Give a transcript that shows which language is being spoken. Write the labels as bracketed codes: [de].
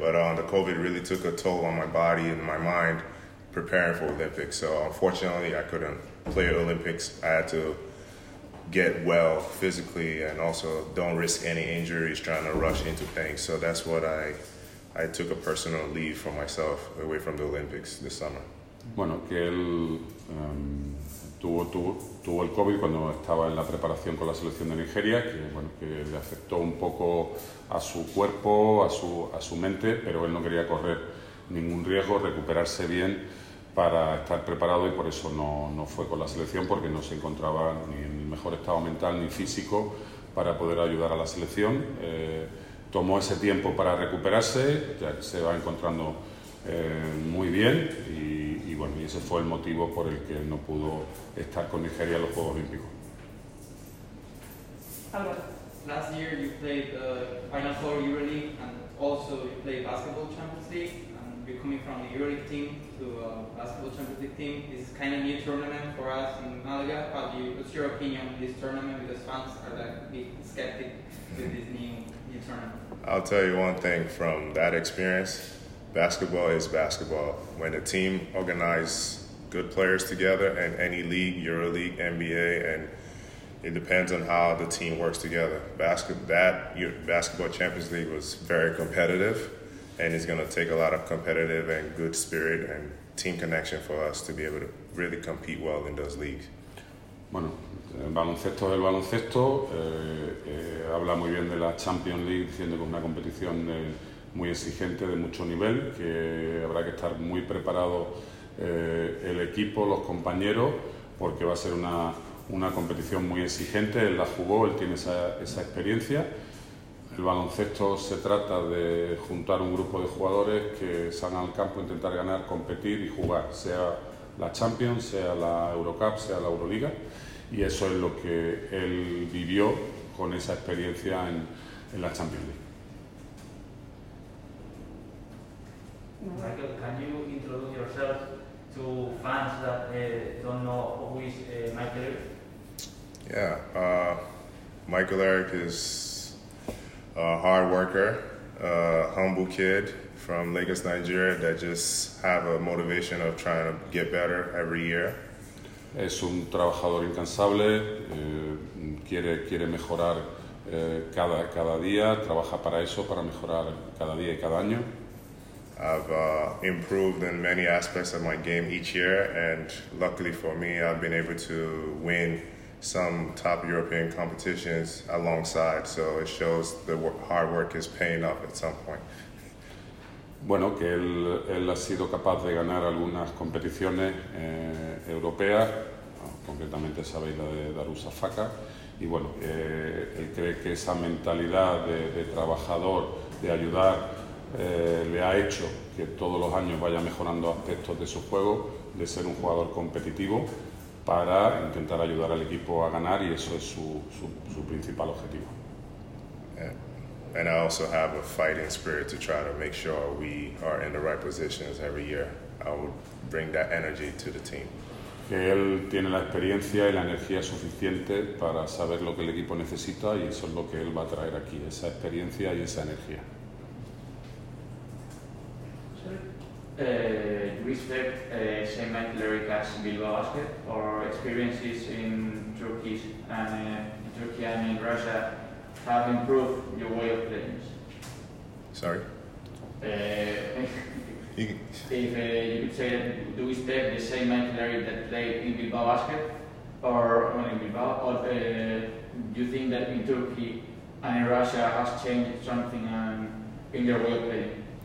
[en] But the COVID really took a toll on my body and my mind, preparing for Olympics. So unfortunately, I couldn't play Olympics. I had to get well physically and also don't risk any injuries trying to rush into things. So that's what I took a personal leave for myself away from the Olympics this summer. [es] Bueno, que él tuvo el COVID cuando estaba en la preparación con la selección de Nigeria, que bueno, que le afectó un poco a su cuerpo, a su mente, pero él no quería correr ningún riesgo, recuperarse bien para estar preparado, y por eso no fue con la selección, porque no se encontraba ni en el mejor estado mental ni físico para poder ayudar a la selección. Tomó ese tiempo para recuperarse, ya que se va encontrando muy bien, y bueno, y ese fue el motivo por el que no pudo estar con Nigeria en los Juegos Olímpicos. [en] Last year you played the Final Four EuroLeague and also you played Basketball Champions League, and you're coming from the EuroLeague team to a Basketball Champions League team. This is kind of new tournament for us in Malaga. What's your opinion on this tournament? Because fans are like a bit skeptic with this new tournament. I'll tell you one thing from that experience. Basketball is basketball. When a team organizes good players together in any league, EuroLeague, NBA, and it depends on how the team works together. Basketball Champions League was very competitive, and it's gonna take a lot of competitive and good spirit and team connection for us to be able to really compete well in those leagues. [es] Bueno, el baloncesto es el baloncesto. Habla muy bien de la Champions League, diciendo que es una competición de muy exigente, de mucho nivel, que habrá que estar muy preparado el equipo, los compañeros, porque va a ser una competición muy exigente. Él la jugó, él tiene esa experiencia. El baloncesto se trata de juntar un grupo de jugadores que salgan al campo, intentar ganar, competir y jugar, sea la Champions, sea la Eurocup, sea la Euroliga, y eso es lo que él vivió con esa experiencia en la Champions League. [en] Michael, can you introduce yourself to fans that don't know who is Michael Eric? Yeah, Michael Eric is a hard worker, a humble kid from Lagos, Nigeria, that just have a motivation of trying to get better every year. [es] Es un trabajador incansable, quiere mejorar cada día, trabaja para eso, para mejorar cada día y cada año. [en] I've improved in many aspects of my game each year, and luckily for me, I've been able to win some top European competitions alongside. So it shows the hard work is paying off at some point. [es] Bueno, que él ha sido capaz de ganar algunas competiciones europeas, concretamente sabéis la de Darussa Faka, y bueno, él cree que esa mentalidad de trabajador, de ayudar, le ha hecho que todos los años vaya mejorando aspectos de su juego, de ser un jugador competitivo para intentar ayudar al equipo a ganar, y eso es su principal objetivo. [en] Yeah. And I also have a fighting spirit to try to make sure we are in the right positions every year. I would bring that energy to the team. [es] Que él tiene la experiencia y la energía suficiente para saber lo que el equipo necesita, y eso es lo que él va a traer aquí, esa experiencia y esa energía. [en] You respect same athletic as Bilbao Basket or experiences in Turkey and in Russia have improved your way of playing? Sorry? If you could say, do we stay the same mentality that played in Bilbao Basket, or not in Bilbao, or do you think that in Turkey and in Russia has changed something in their way of playing?